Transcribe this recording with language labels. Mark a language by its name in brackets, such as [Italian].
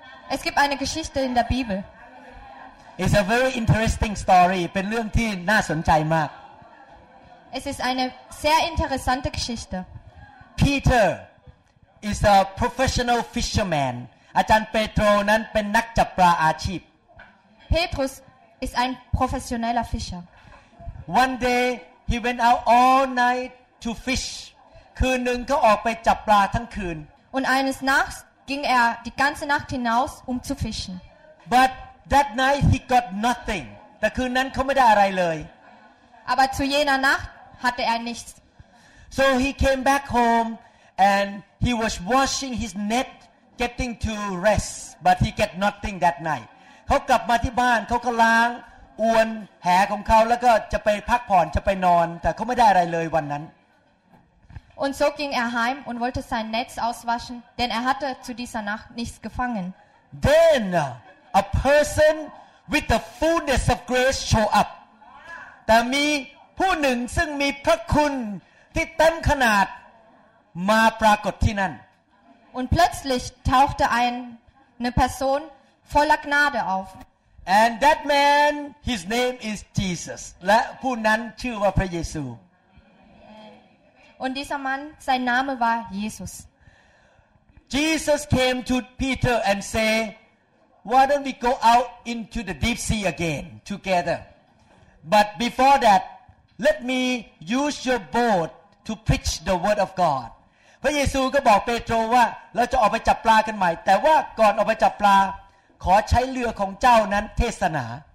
[German] Es gibt eine Geschichte in der Bibel. [English] It's a very interesting story. [Thai] เป็นเรื่องที่น่าสนใจมาก [German] Es ist eine sehr interessante Geschichte. [English] Peter is a professional fisherman. [Thai] อาจารย์เปโตรนั้นเป็นนักจับปลาอาชีพ [German] Petrus ist ein professioneller Fischer. [English] One day he went out all night to fish. [Thai] คืนนึงเขาออกไปจับปลาทั้งคืน [German] Und eines Nachts ging er die ganze Nacht hinaus, um zu fischen. [English] ButThat night he got nothing. [Thai] แต่คืนนั้นเขาไม่ได้อะไรเลย [German] Aber zu jener Nacht hatte er nichts. [English] So he came back home and he was washing his net, getting to rest. But he got nothing that night. [Thai] เขากลับมาที่บ้านเขาก็ล้างอวนแหของเขาแล้วก็จะไปพักผ่อนจะไปนอนแต่เขาไม่ได้อะไรเลยวันนั้น [German] Und so ging er heim und wollte sein Netz auswaschen, denn er hatte zu dieser Nacht nichts gefangen. [English] Then. A person with the fullness of grace show up. [Thai] แต่มีผู้หนึ่งซึ่งมีพระคุณที่เต็มขนาดมาปรากฏที่นั่น [German] Und plötzlich tauchte eine Person voller Gnade auf. [English] And that man, his name is Jesus. [Thai] และผู้นั้นชื่อว่าพระเยซู [German] Und dieser Mann, sein Name war Jesus. [English] Jesus came to Peter and said,Why don't we go out into the deep sea again together? But before that, let me use your boat to preach the word of God. [Thai] พระเยซูก็บอกเปโตรว่าเราจะออกไปจับปลากันใหม่แต่ว่าก่อนออกไปจับปลาขอใช้เรือของเจ้านั้นเทศนา